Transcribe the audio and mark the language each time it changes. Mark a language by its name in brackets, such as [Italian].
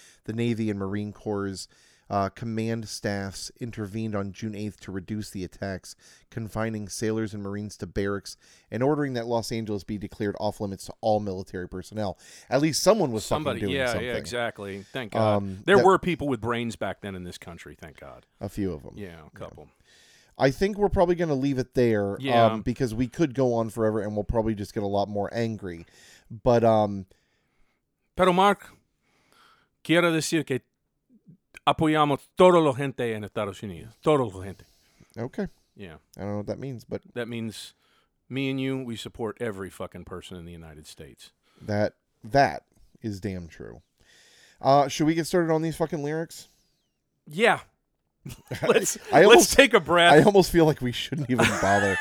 [English] The Navy and Marine Corps' command staffs intervened on June 8th to reduce the attacks, confining sailors and Marines to barracks and ordering that Los Angeles be declared off limits to all military personnel. At least someone was fucking doing something. Yeah, exactly. Thank God. There were people with brains back then in this country, thank God. A few of them. Yeah, a couple. Yeah. I think we're probably going to leave it there because we could go on forever and we'll probably just get a lot more angry. But, [Spanish] Pero Mark, quiero decir que apoyamos todo lo gente en Estados Unidos. Todo lo gente. [English] Okay. Yeah. I don't know what that means, but. That means me and you, we support every fucking person in the United States. That is damn true. Should we get started on these fucking lyrics? Yeah. Let's take a breath. I almost feel like we shouldn't even bother.